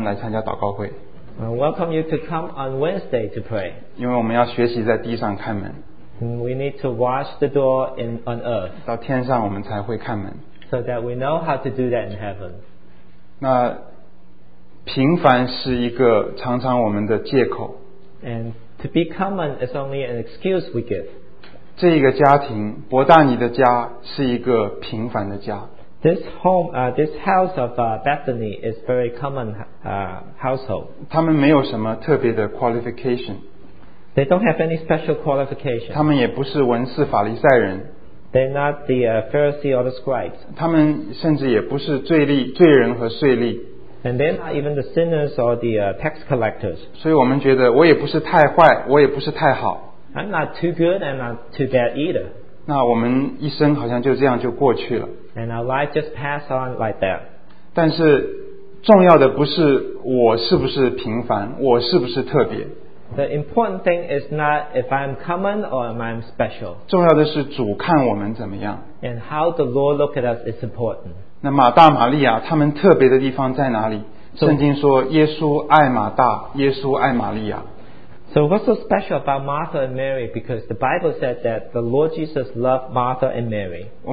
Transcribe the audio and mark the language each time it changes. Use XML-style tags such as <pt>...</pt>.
<en>Welcome you to come on Wednesday to pray. We need to watch the door on earth. So that we know how to do that in heaven.</en> <zh>平凡是一个常常我们的借口。</zh> <en>And to be common is only an excuse we give.</en> <zh>这一个家庭, 伯大尼的家是一个平凡的家。</zh> <en>This home, this house of Bethany is very common household.</en> <zh>他们没有什么特别的 qualification.</zh> <en>They don't have any special qualification.</en> <zh>他们也不是文士法利赛人。</zh> <en>They're not the Pharisee or the scribes.</en> <zh>他们甚至也不是罪吏罪人和税吏。</zh> <en>And they're not even the sinners or the tax collectors.</en> <zh>所以我们觉得我也不是太坏，我也不是太好。</zh> <en>I'm not too good and not too bad either.</en> <zh>那我们一生好像就这样就过去了。</zh> <en>And our life just passed on like that.</en> <zh>但是重要的不是我是不是平凡，我是不是特别。</zh> <en>The important thing is not if I'm common or am I special.</en> <zh>重要的是主看我们怎么样。</zh> <en>And how the Lord look at us is important.</en> <zh>那马大玛利亚他们特别的地方在哪里？圣经说耶稣爱马大，耶稣爱玛利亚。</zh> <en>So what's so special about Martha and Mary? Because the Bible said that the Lord Jesus loved Martha and Mary.</en>